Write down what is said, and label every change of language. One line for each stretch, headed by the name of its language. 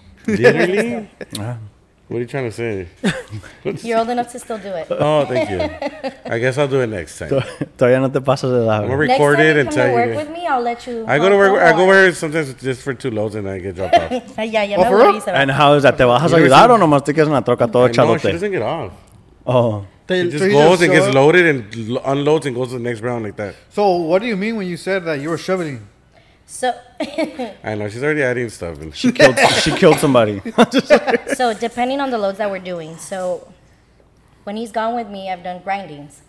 English: Literally? What are you trying to say? You're old enough to still do it. Oh, thank you. I guess I'll do it next time.
Spanish: Todavía no te pasas de la.
English: I'm going to record it and tell you. Work with me, I'll let you. I go to work. I go where sometimes it's just for two loads and I get dropped off. Yeah, for real? And how is that?
Spanish: ¿Te bajas a ayudar o nomás te quedas en la troca todo echándote?
English: No, she doesn't get off. Oh. She just goes and gets loaded and unloads and goes to the next round like that. So what do you mean when you said that you were shoveling? So, I know she's already adding stuff. And she killed somebody. So depending on the loads that we're doing. So when he's gone with me, I've done grindings.